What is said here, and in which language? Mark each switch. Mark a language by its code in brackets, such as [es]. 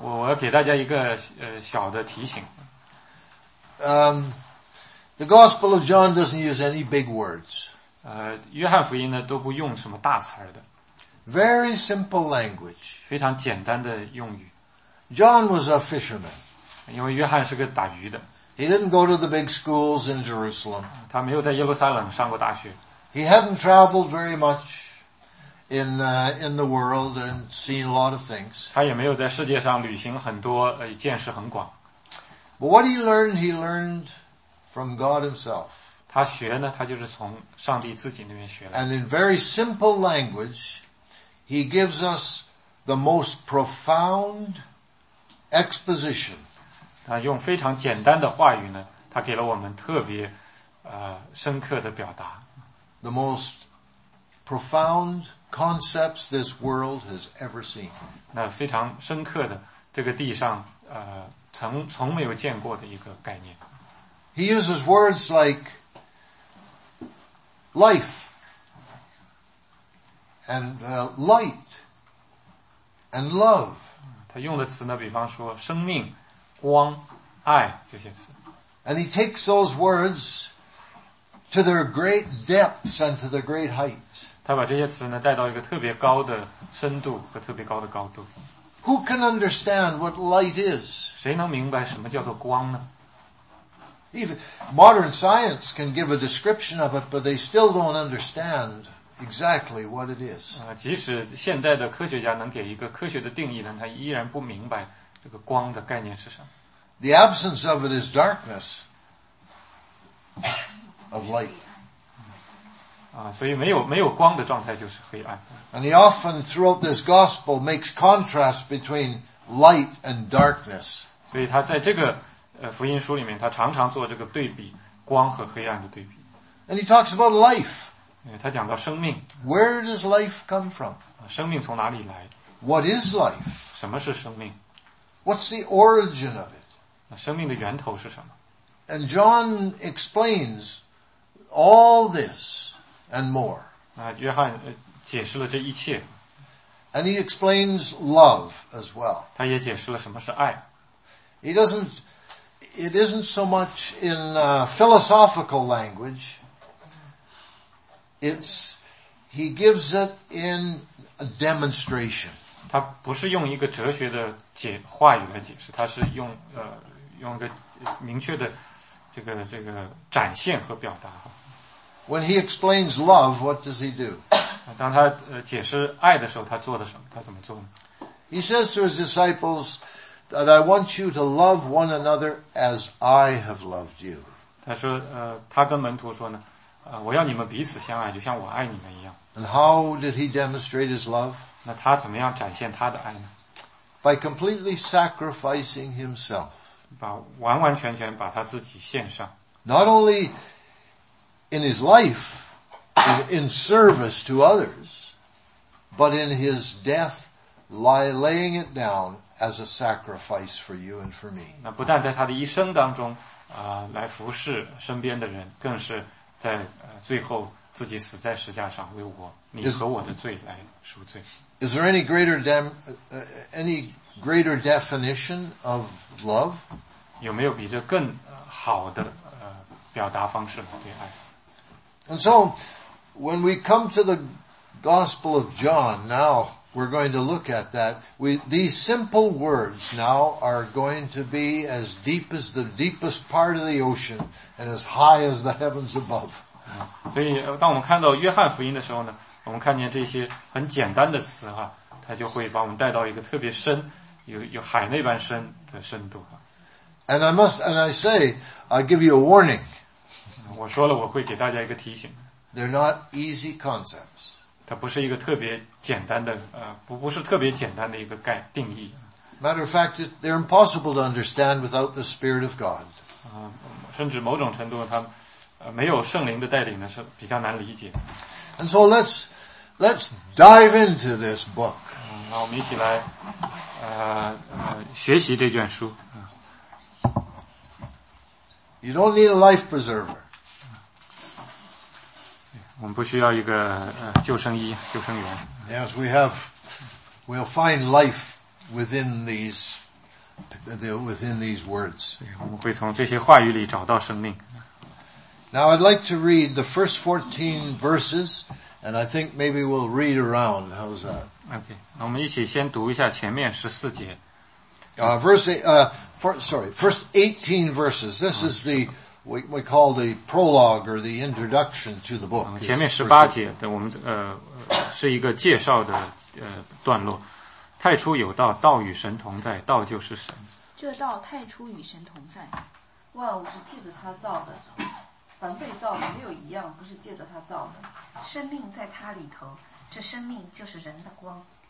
[zh] 我要给大家一个小的提醒。 [en] The Gospel of John doesn't use any big words. [zh] 约翰福音呢都不用什么大词儿的。 [en] Very simple language. [zh] 非常简单的用语。 [en] John was a fisherman. [zh] 因为约翰是个打鱼的。 [en] He didn't go to the big schools in Jerusalem. [zh] 他没有在耶路撒冷上过大学。 [en] He hadn't traveled very much in the world and seen a lot of things. [zh] 他也没有在世界上旅行很多见识很广。 [en] But what he learned from God himself. [zh] 他学呢他就是从上帝自己那边学的。 [en] And in very simple language, he gives us the most profound exposition. [zh] 他用非常简单的话语呢他给了我们特别深刻的表达。 [en] The most profound concepts this world has ever seen. [zh] 那非常深刻的这个地上从没有见过的一个概念。 [en] He uses words like,Life and light and love. [zh] 他用的词呢，比方说生命、光、爱这些词。 [en] And he takes those words to their great depths and to their great heights. [zh] 他把这些词呢带到一个特别高的深度和特别高的高度。 [en] Who can understand what light is? [zh] 谁能明白什么叫做光呢？ [en] Even modern science can give a description of it, but they still don't understand exactly what it is. [zh] 即使现代的科学家能给一个科学的定义呢，他依然不明白这个光的概念是什么。 [en] The absence of it is darkness of light. [zh] 所以没有光的状态就是黑暗。 [en] And he often throughout this gospel makes contrast between light and darkness. [zh] 所以他在这个福音书里面他常常做这个对比光和黑暗的对比。 [en] And he talks about life. [zh] 他讲到生命。 [en] Where does life come from? [zh] 生命从哪里来? [en] What is life? [zh] 什么是生命? [en] What's the origin of it? [zh] 生命的源头是什么? [en] And John explains all this and more. [zh] 约翰解释了这一切。 [en] And he explains love as well. [zh] 他也解释了什么是爱。 [en] It isn't so much in philosophical language. He gives it in a demonstration. [zh] 他不是用一个哲学的话语来解释，他是用一个明确的这个展现和表达。 [en] When he explains love, what does he do? [zh] 当他解释爱的时候，他做的什么？他怎么做呢？ [en] He says to his disciples,That I want you to love one another as I have loved you. [zh] 他说，他跟门徒说呢，我要你们彼此相爱，就像我爱你们一样。 [en] And how did he demonstrate his love? [zh] 那他怎么样展现他的爱呢？ [en] By completely sacrificing himself. [zh] 把完完全全把他自己献上。 [en] Not only in his life, in service to others, but in his death, laying it down.As a sacrifice for you and for me. [zh] 那不但在他的一生当中来服侍身边的人，更是在最后自己死在十字架上，为我你和我的罪来赎罪。 [en] Is there any greater definition of love? [zh] 有没有比这更好的表达方式对爱？ [en] And so, when we come to the Gospel of John, now we're going to look at that. These simple words now are going to be as deep as the deepest part of the ocean and as high as the heavens above. [zh] 所以当我们看到约翰福音的时候呢，我们看见这些很简单的词哈，它就会把我们带到一个特别深，有海那般深的深度。 [en] And I give you a warning. [zh] 我说了我会给大家一个提醒。 [en] They're not easy concepts. [zh] 它不是一个特别简单的不是特别简单的一个概定义。 [en] Matter of fact, they're impossible to understand without the Spirit of God. [zh] 甚至某种程度它没有圣灵的带领呢是比较难理解。 [en] And so let's dive into this book. [zh] 那我们一起来学习这卷书。 [en] You don't need a life preserver. [zh] 我们不需要一个救生衣救生员。 [en] Yes, we'll find life within these words. [zh] 我们会从这些话语里找到生命。 [en] Now I'd like to read the first 14 verses, and I think maybe we'll read around. How's that? Okay. [zh] 那我们一起先读一下前面14节。 [en] First 18 verses. This is the, what we call the prologue or the introduction to the book. [zh] 前面18节的我们是一个介绍的段落。太初有道，道与神同在，道就是神。这道太初与神同在，万物是借着他造的。凡被造的没有一样不是借着他造的，生命在他里头，这生命就是人的光。